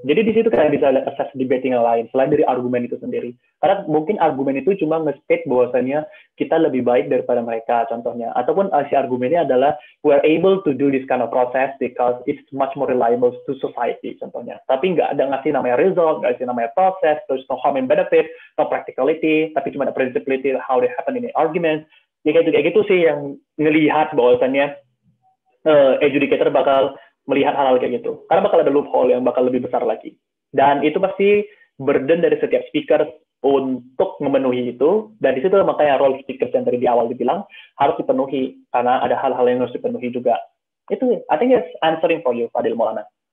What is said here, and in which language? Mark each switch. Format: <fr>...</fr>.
<id>Jadi di situ kalian bisa assess debating yang lain, selain dari argumen itu sendiri. Karena mungkin argumen itu cuma nge-state bahwasannya kita lebih baik daripada mereka, contohnya. Ataupun si argumennya adalah,</id> <en>we are able to do this kind of process because it's much more reliable to society,</en> <id>contohnya. Tapi nggak ada ngasih namanya</id> <en>result,</en> <id>nggak ngasih namanya</id> <en>process, there's no harm and benefit, no practicality,</en> <id>tapi cuma ada</id> <en>predictability how they happen in the arguments.</en> <id>Ya kayak gitu sih yang ngelihat bahwasannya adjudicator bakal melihat hal-hal kayak gitu. Karena bakal ada loophole yang bakal lebih besar lagi. Dan itu pasti burden dari setiap speaker untuk memenuhi itu. Dan di situ makanya role speaker yang tadi di awal dibilang harus dipenuhi. Karena ada hal-hal yang harus dipenuhi juga. Itu,</id> <en>I think it's answering for you, Fadil Maulana.</en>